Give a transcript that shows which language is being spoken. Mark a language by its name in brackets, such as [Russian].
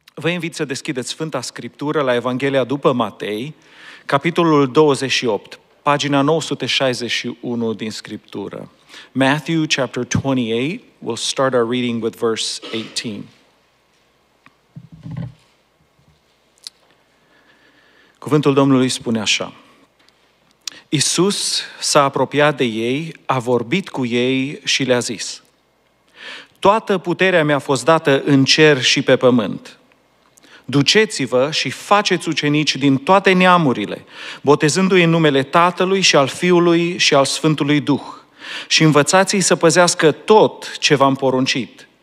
[Romanian] Vă invit să deschideți Sfânta Scriptură la Evanghelia după Matei, capitolul 28, pagina 961 din Scriptură. [English] Matthew chapter 28, we'll start our reading with verse 18. [Romanian] Cuvântul Domnului spune așa. Iisus s-a apropiat de ei, a vorbit cu ei și le-a zis: toată puterea mi-a fost dată în cer și pe pământ. Duceți-vă și faceți ucenici din toate neamurile, botezându-i în numele Tatălui și al Fiului și al Sfântului Duh, și învățați-i să păzească tot ce v-am poruncit.